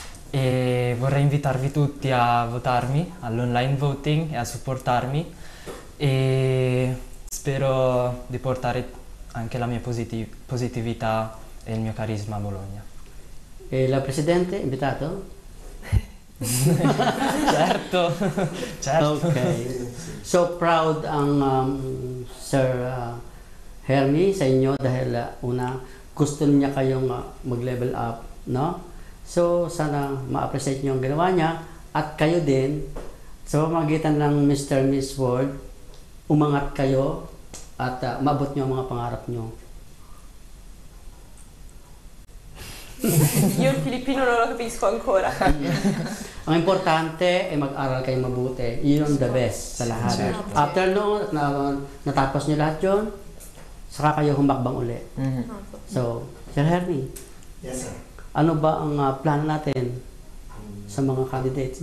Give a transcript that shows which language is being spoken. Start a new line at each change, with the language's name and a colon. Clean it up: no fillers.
Italian: E vorrei invitarvi tutti a votarmi, all'online voting e a supportarmi. E spero di portare anche la mia positività e il mio carisma a Bologna. E la Presidente, invitato? Certo, certo. Ok.
English: So proud
Filipino: ang Sir Hermy sa inyo dahil una, gusto niya kayong mag-level up, no? So sana ma-appreciate niyo ang ginawa niya at kayo din. Sa pamamagitan ng Mr. and Ms. Ward, umangat kayo at maabot niyo ang mga pangarap niyo.
Italian: Io il filippino non lo capisco ancora.
Filipino: Ang importante ay mag-aral kayo mabuti. Yun
English: the best
Filipino: sa lahat.
English: After noon,
Filipino: natapos niyo lahat yun, saka kayo humakbang uli. Mm-hmm.
English: So, Sir Hermy. Yes, sir.
Filipino: Ano ba ang plan natin sa mga candidates?